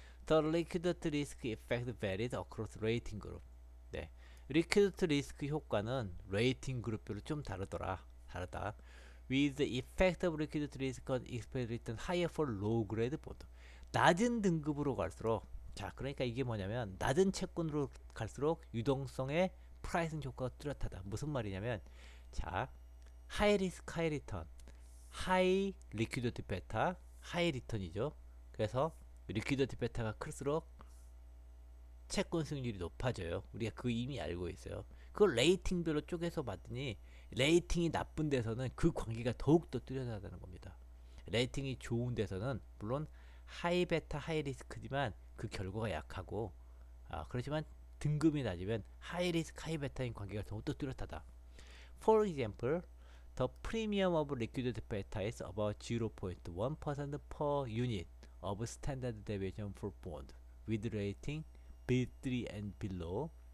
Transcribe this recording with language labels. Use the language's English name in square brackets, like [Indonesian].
[English] The liquidity risk effect varies across rating group. [Korean] 네, liquidity risk 효과는 rating 그룹별로 좀 다르더라. 다르다. [English] With the effect of liquidity risk on expected return higher for low grade bond. [Korean] 낮은 등급으로 갈수록, 자, 그러니까 이게 뭐냐면, 낮은 채권으로 갈수록 유동성의 프라이싱 효과가 뚜렷하다. 무슨 말이냐면, 자, 하이 리스크 하이 리턴, 하이 리퀴디티 베타, 하이 리턴이죠. 그래서 리퀴디티 베타가 클수록 채권 수익률이 높아져요. 우리가 그 이미 알고 있어요. 그걸 레이팅별로 쪼개서 봤더니 레이팅이 나쁜 데서는 그 관계가 더욱더 뚜렷하다는 겁니다. 레이팅이 좋은 데서는 물론 하이 베타 하이 리스크지만 그 결과가 약하고, 그렇지만 등급이 낮으면 하이 리스크 하이 베타인 관계가 더욱더 뚜렷하다. [English] For example, the premium of liquidity beta is about 0.1% per unit of standard deviation for bond with rating B3 and below.